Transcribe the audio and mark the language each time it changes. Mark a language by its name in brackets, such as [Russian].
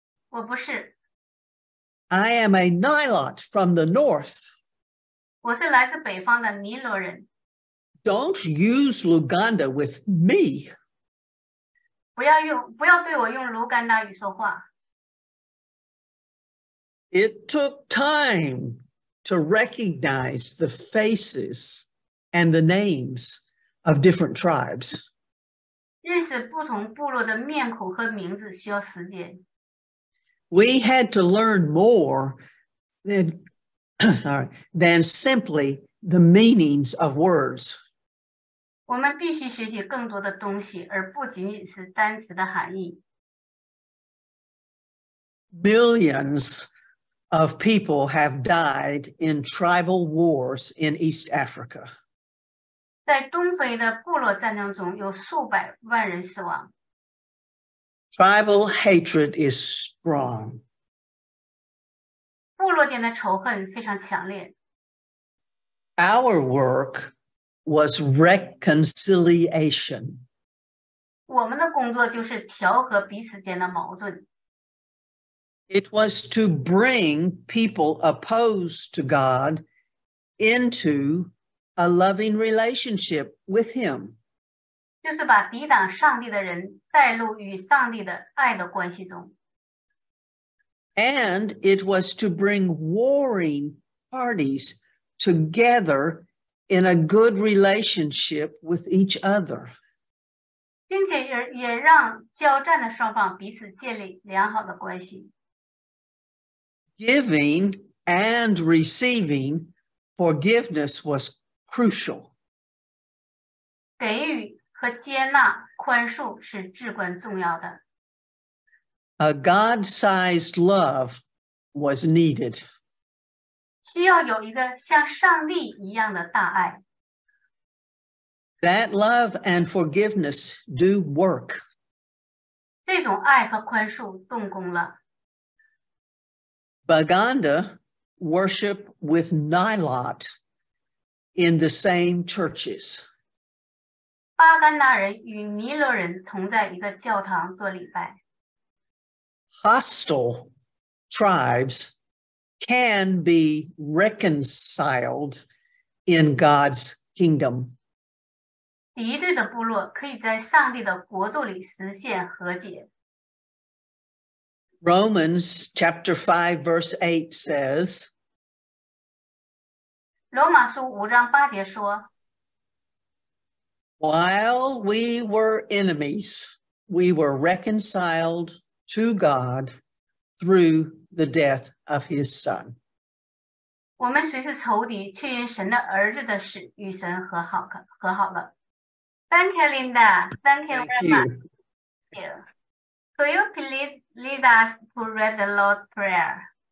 [Chinese] 我不是。 [English] I am a Nilot from the north. [Chinese] 我是来自北方的尼罗人。 [English] Don't use Luganda with me. [Chinese] 不要对我用卢干达语说话。 [English] It took time to recognize the faces and the names of different tribes. [Chinese] 认识不同部落的面孔和名字需要时间。 [English] We had to learn more than simply the meanings of words. [Chinese] 我们必须学习更多的东西，而不仅仅是单词的含义。 [English] Millions of people have died in tribal wars in East Africa. [Chinese] 在东非的部落战争中，有数百万人死亡。 [English] Tribal hatred is strong. [Chinese] 部落间的仇恨非常强烈。 [English] Our work was reconciliation. [Chinese] 我们的工作就是调和彼此间的矛盾。 [English] It was to bring people opposed to God into a loving relationship with Him. [Chinese] 就是把抵挡上帝的人带入与上帝的爱的关系中。 [English] And it was to bring warring parties together in a good relationship with each other. [Chinese] 并且 也让交战的双方彼此建立良好的关系。 [English] Giving and receiving forgiveness was crucial. [Chinese] 给予和接纳宽恕是至关重要的。 [English] A God-sized love was needed. [Chinese] 需要有一个像上帝一样的大爱。 [English] That love and forgiveness do work. [Chinese] 这种爱和宽恕动工了。 [English] Baganda worship with Nilot in the same churches. [Chinese] 巴干纳人与尼罗人同在一个教堂做礼拜。 [English] Hostile tribes can be reconciled in God's kingdom. [Chinese] 敌对的部落可以在上帝的国度里实现和解。 [English] Romans chapter 5 verse 8 says, [Chinese] 罗马书五章八节说, [English] While we were enemies, we were reconciled to God through the death of his son. [Chinese] 我们虽是仇敌,却因神的儿子的死与神和好了。 [English] Thank you, Linda. Thank you very much. Could you please lead us to read the Lord's Prayer?